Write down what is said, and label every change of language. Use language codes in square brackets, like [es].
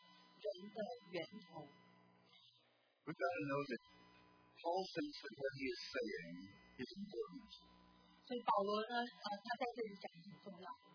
[zh] 他是创造人的那位造物主，所以呢，其实他是人的源头。 [en] We gotta know that Paul thinks that what he is saying is important. [zh] 所以保罗呢，他在这里讲很重要。